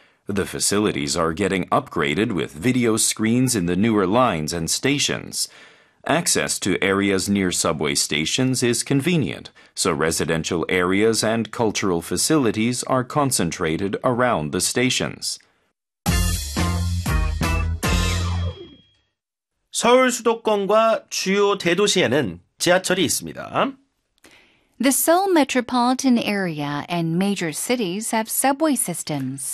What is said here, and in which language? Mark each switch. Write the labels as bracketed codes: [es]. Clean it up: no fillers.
[en] The facilities are getting upgraded with video screens in the newer lines and stations. Access to areas near subway stations is convenient, so residential areas and cultural facilities are concentrated around the stations. [ko] 서울 수도권과 주요 대도시에는 지하철이 있습니다. [en] The Seoul metropolitan area and major cities have subway systems.